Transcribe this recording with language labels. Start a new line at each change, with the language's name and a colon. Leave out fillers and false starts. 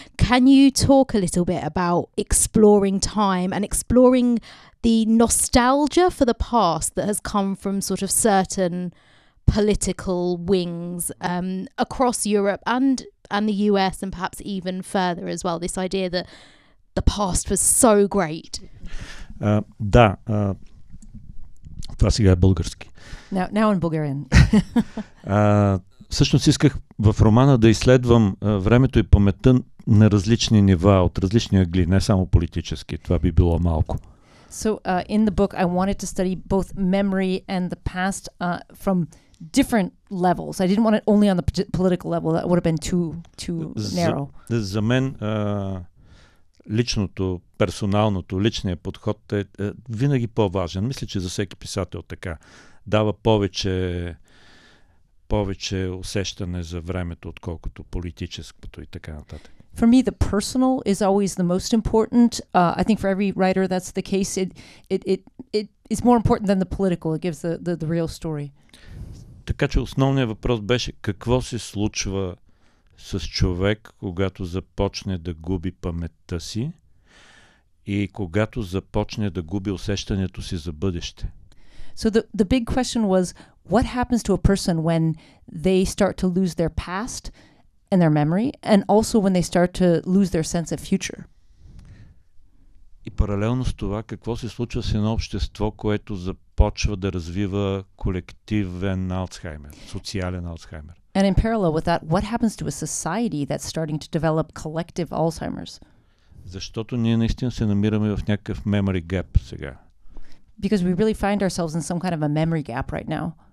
English: Can you talk a little bit about exploring time and exploring the nostalgia for the past that has come from sort of certain political wings across Europe and the US, and perhaps even further as well? This idea that the past was so great.
Bulgarian: Да, това сега е български.
English: Now in Bulgarian.
Bulgarian: Всъщност исках в романа да изследвам времето и паметта на различни нива, от различни ъгли, не само политически, това би било малко.
English: So in the book, I wanted to study both memory and the past from different levels. I didn't want it only on the political level. That would have been too narrow.
Bulgarian: За мен личното, персоналното, личният подход е винаги по-важен. Мисля, че за всеки писател така. Дава повече усещане за времето, отколкото политическото и така нататък.
English: For me, the personal is always the most important. I think for every writer, that's the case. It is more important than the political. It gives the real story.
Bulgarian: Така че основният въпрос беше какво се случва с човек, когато започне да губи паметта си и когато започне да губи усещането си за бъдеще.
English: So the big question was, what happens to a person when they start to lose their past and their memory, and also when they start to lose their sense of future?
Bulgarian: И паралелно с това, какво се случва с едно общество, което започва да развива колективен алцхаймер, социален алцхаймер?
English: And in parallel with that, what happens to a society that's starting to develop collective Alzheimer's?
Bulgarian: Защото ние наистина се намираме в някакъв
English: memory gap
Bulgarian: сега.
English: Because we really find ourselves in some kind of a memory gap right now.